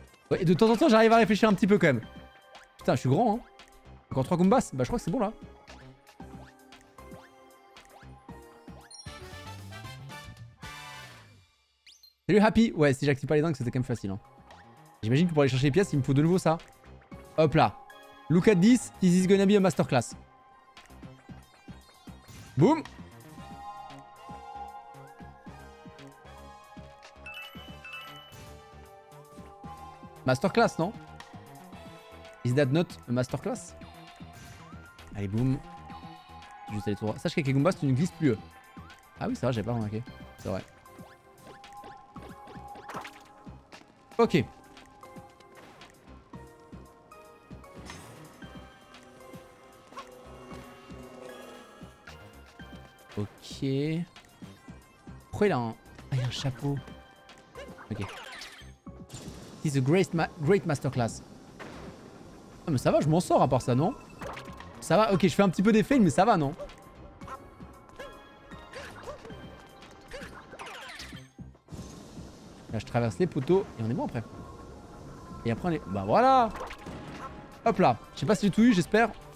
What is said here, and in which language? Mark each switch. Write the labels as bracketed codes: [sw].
[fr] Ouais, de temps en temps, j'arrive à réfléchir un petit peu quand même. Putain, je suis grand, hein. Encore 3 combats, bah je crois que c'est bon là. Salut Happy. Ouais, si j'active pas les dingues, c'était quand même facile. Hein. J'imagine que pour aller chercher les pièces, il me faut de nouveau ça. Hop là. [en] Look at this, this is gonna be a masterclass. Boum. Masterclass, non? Is that not a masterclass? [fr] Allez, boum. Juste aller tout droit. Sache qu'avec les Goombas, tu ne glisses plus. Ah oui, c'est vrai, j'avais pas remarqué. C'est vrai. Ok. Ok. Pourquoi il a un... Ah, il a un chapeau. Ok. [en] This is a great, great masterclass. [fr] Ah, mais ça va, je m'en sors à part ça, non? Ça va, ok, je fais un petit peu des fails, mais ça va, non? Là, je traverse les poteaux et on est bon après. Et après on est... Bah voilà! Hop là! Je sais pas si j'ai tout eu, j'espère.